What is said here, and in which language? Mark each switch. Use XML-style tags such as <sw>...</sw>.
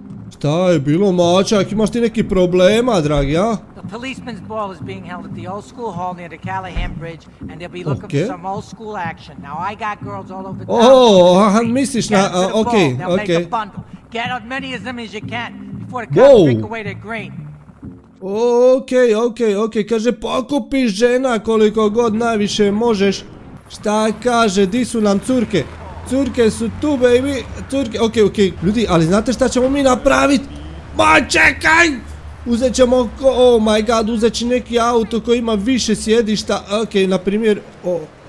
<hr>Šta je bilo, mačak, imaš ti neki problema, dragi, a?</hr> <en>Policeman's ball is being held at the old school hall near the Callahan Bridge and they'll be looking okay. for some old school action. Now I got girls all over town.</en> <hr>Oh, misliš na, okay,</hr> <en>ball. Okay. Make a bundle. Get as many of them as you can before the cops take away their green. Okay, okay, okay.</en> <hr>Kaže pokupi žena koliko god najviše možeš. Šta kaže, di su nam curke? Curke su tu, baby. Curke, okay, okay. Ljudi, ali znate šta ćemo mi napraviti? Ma čekaj! Uzet ćemo,</hr> <en>oh my god,</en> <hr>uzet će neki auto koji ima više sjedišta, okej, okay, na primjer, oh.</hr>